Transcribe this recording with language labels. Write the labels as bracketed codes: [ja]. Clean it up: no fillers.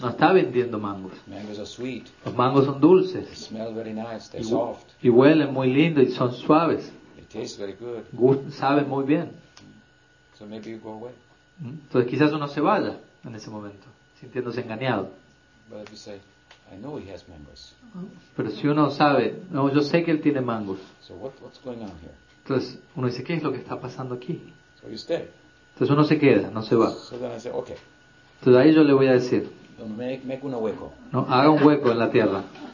[es] No está vendiendo mangos. [en] Mangoes are sweet. [es] Los mangos son dulces. [en] They smell very nice. They're soft. [es] Y huelen muy lindo y son suaves. [en] They taste very good. [es] Saben muy bien. [en] So maybe you go away. [es] Entonces quizás uno se vaya en ese momento, sintiéndose engañado. [en] But if you say, I know he has mangoes. [es] Pero si uno sabe, no, yo sé que él tiene mangos. [en] So what's going on here? [es] Entonces uno dice, ¿qué es lo que está pasando aquí? [en] So you stay. [es] Entonces uno se queda, no se va. [en] So then I say, okay. [es] Entonces ahí yo le voy a decir, make un hueco. No, haga un hueco en la tierra.